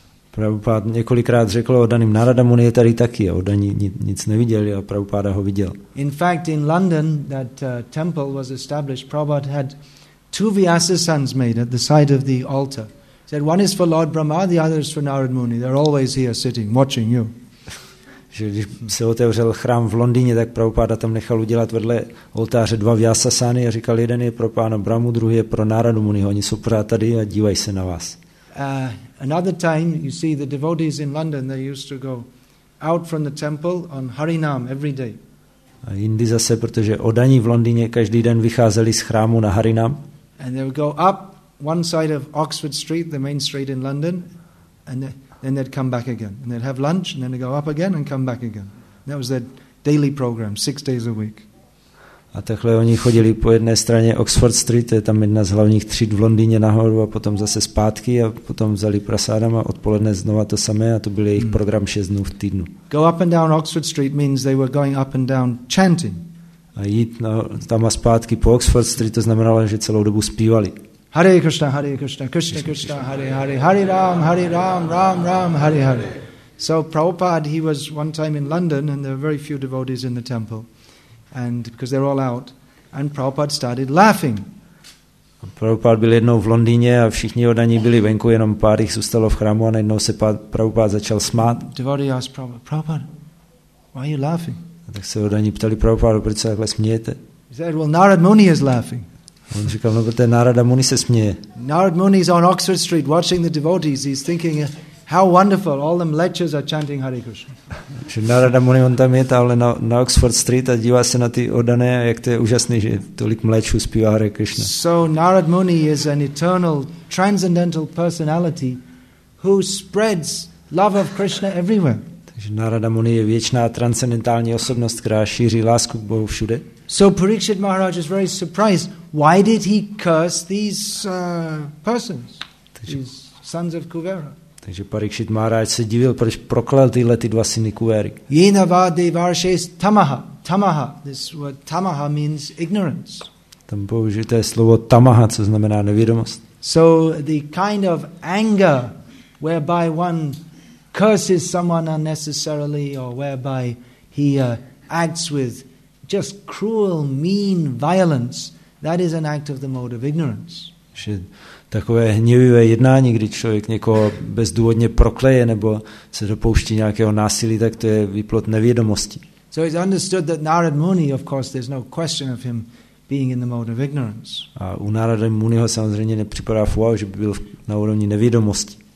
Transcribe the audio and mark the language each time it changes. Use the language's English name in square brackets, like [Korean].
[Czech] Prabhupád několikrát řekl oddaným, Narada Muni je tady taky, a oddaní nic neviděli a Prabhupáda ho viděl. [English] In fact, in London, that temple was established, Prabhupada had two Vyasa sons made at the side of the altar. He said, one is for Lord Brahma, the other is for Narada Muni. They're always here sitting, watching you. [Czech] Že když se otevřel chrám v Londýně, tak Prabhupáda tam nechal udělat vedle oltáře dva Vyasa sány a říkal, jeden je pro pána Brahmu, druhý je pro Narada Muni. Oni jsou pořád tady a dívají se na vás. [English] Another time, you see, the devotees in London, they used to go out from the temple on Harinam every day. [Czech] A jindy zase, protože oddaní v Londýně každý den vycházeli z chrámu na Harinam. [English] And they would go up one side of Oxford Street, the main street in London, and then they'd come back again. And they'd have lunch, and then they'd go up again and come back again. And that was their daily program, 6 days a week. [Czech] A takhle oni chodili po jedné straně Oxford Street, to je tam jedna z hlavních tříd v Londýně nahoru a potom zase zpátky a potom vzali prasádama a odpoledne znova to samé a to byl jejich program 6 dnů v týdnu. [English] Go up and down Oxford Street means they were going up and down chanting. [Czech] A jít tam a zpátky po Oxford Street to znamenalo, že celou dobu zpívali. [Sanskrit] Hare Krishna, Hare Krishna, Krishna Krishna, Krishna, Krishna Hare Hare, Hare Ram, Ram Ram, Hare Hare. [English] So Prabhupada, he was one time in London and there were very few devotees in the temple. And because they're all out, and Prabhupada started laughing. [Czech] Prabhupada byl jednou v Londýně a všichni oddaní byli venku, jenom pár jich zůstalo v chrámu a najednou se Prabhupada začal smát. [English] Devotee asked Prabhupada, Prabhupada, why are you laughing? [Czech] A tak se oddaní ptali Prabhupada, proč se takhle smějete? [English] He said, well, Narad Muni is laughing. [Czech] On říkal, no, protože Narada Muni se směje. [English] Narad Muni is on Oxford Street watching the devotees. He's thinking, how wonderful, all them lechers are chanting Hare Krishna. [Czech] Narada Muni, on tam je, ale na Oxford Street a dívá se na ty oddané, jak to je úžasný, že tolik mlečů zpívá Hare Krishna. [English] So Narad Muni is an eternal, transcendental personality who spreads love of Krishna everywhere. [Czech] Takže Narada Muni je věčná, transcendentální osobnost, která šíří lásku k Bohu všude. [English] So Parikshit Maharaj is very surprised. Why did he curse these persons, these sons of Kuvera? Takže Parikshit Maharaj se divil, proč proklel tyhle ty dva syny Kuvery. [Sanskrit] Yena va devarshes tamaha. [English] Tamaha, this word tamaha means ignorance. [Czech] Tam použité slovo tamaha, co znamená nevědomost. [English] So the kind of anger whereby one curses someone unnecessarily or whereby he acts with just cruel, mean violence, that is an act of the mode of ignorance. [Czech] Takové hněvivé jednání, kdy člověk někoho bezdůvodně prokleje nebo se dopouští nějakého násilí, tak to je výplod nevědomosti. [English] So it's understood that Narad Muni, of course, there's no question of him being in the mode of ignorance. [Czech] A u Narada Muniho samozřejmě nepřipadá v úvahu, že by byl na úrovni nevědomosti.